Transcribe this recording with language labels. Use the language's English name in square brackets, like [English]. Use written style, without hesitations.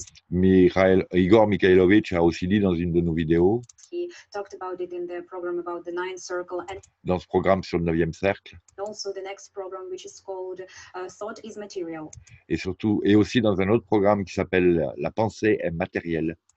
[French] Mikhail Igor Mikhailovich a aussi dit dans une de nos vidéos. [English] He talked about it in the program about the ninth circle and [French] dans ce programme sur le neuvième cercle. [English] Also the next program which is called thought is material. [French] Et surtout et aussi dans un autre programme qui s'appelle la pensée est matérielle.